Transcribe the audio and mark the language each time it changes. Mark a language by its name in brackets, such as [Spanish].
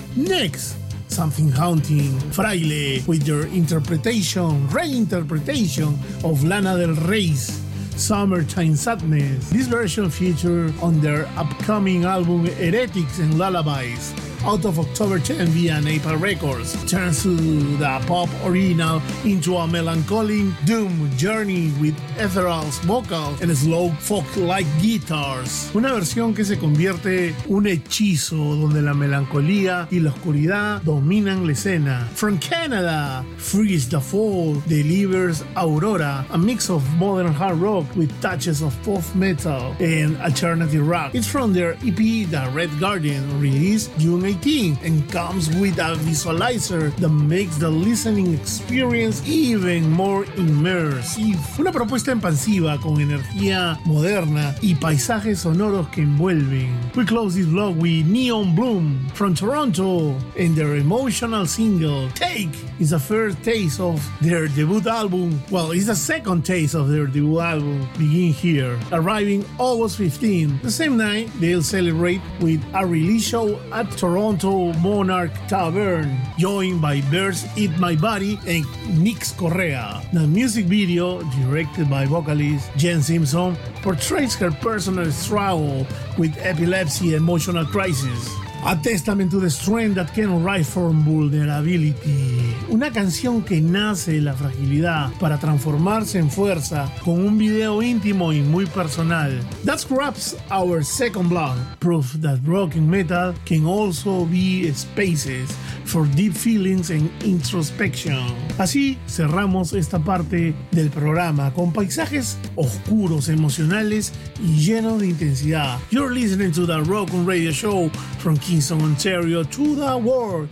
[English] Next, Something Haunting, Fraile, with their interpretation, reinterpretation of Lana Del Rey's Summertime Sadness. This version featured on their upcoming album Heretics and Lullabies. out of October 10 via Napalm Records, turns the pop original into a melancholic doom journey with ethereal's vocals and slow folk-like guitars. [Spanish] Una versión que se convierte un hechizo donde la melancolía y la oscuridad dominan la escena. [English] From Canada, Freeze the Fall delivers Aurora, a mix of modern hard rock with touches of pop metal and alternative rock. It's from their EP The Red Guardian, released June 18, and comes with a visualizer that makes the listening experience even more immersive. [Spanish] Una propuesta expansiva con energía moderna y paisajes sonoros que envuelven. [English] We close this vlog with Neon Bloom from Toronto and their emotional single Take is the first taste of their debut album. Well, it's the second taste of their debut album, Begin Here, arriving August 15. The same night, they'll celebrate with a release show at Toronto Monarch Tavern, joined by Birds Eat My Body and Nix Correa. The music video, directed by vocalist Jen Simpson, portrays her personal struggle with epilepsy and emotional crisis. A testament to the strength that can arise from vulnerability. [Spanish] Una canción que nace de la fragilidad para transformarse en fuerza con un video íntimo y muy personal. [English] That wraps our second blog. Proof that rock and metal can also be spaces for deep feelings and introspection. [Spanish] Así cerramos esta parte del programa con paisajes oscuros, emocionales y llenos de intensidad. [English] You're listening to the Rock and Radio Show from Kingston, Ontario to the world.